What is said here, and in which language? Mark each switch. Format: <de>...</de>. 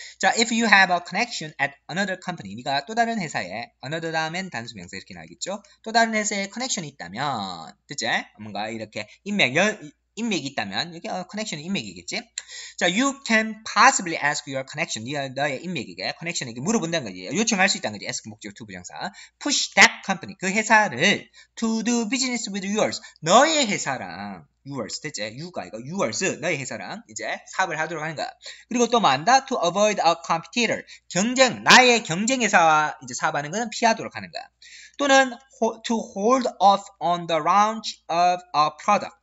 <en>자, if you have a connection at another company.</en> <ko>네가 또 다른 회사에, another 다음엔 단수 명사 이렇게 나겠죠? 또 다른 회사에 커넥션이 있다면, 됐지? 뭔가 이렇게 인맥이 있다면, 여기 커넥션이 인맥이겠지?</ko> <en>자, you can possibly ask your connection.</en> <ko>네가 너의 인맥에게, 커넥션에게 물어본다는 거지. 요청할 수 있다는 거지. ask 목적어 to 부정사.</ko> <en>push that company.</en> <ko>그 회사를</ko> <en>to do business with yours.</en> <ko>너의 회사랑, yours, 됐지? you가, 이거, yours, 너의 회사랑, 이제, 사업을 하도록 하는 거야. 그리고 또 만다,</ko> <en>to avoid a competitor.</en> <ko>경쟁, 나의 경쟁회사와 이제 사업하는 거는 피하도록 하는 거야.</ko> <en>또는, to hold off on the launch of a product.</en>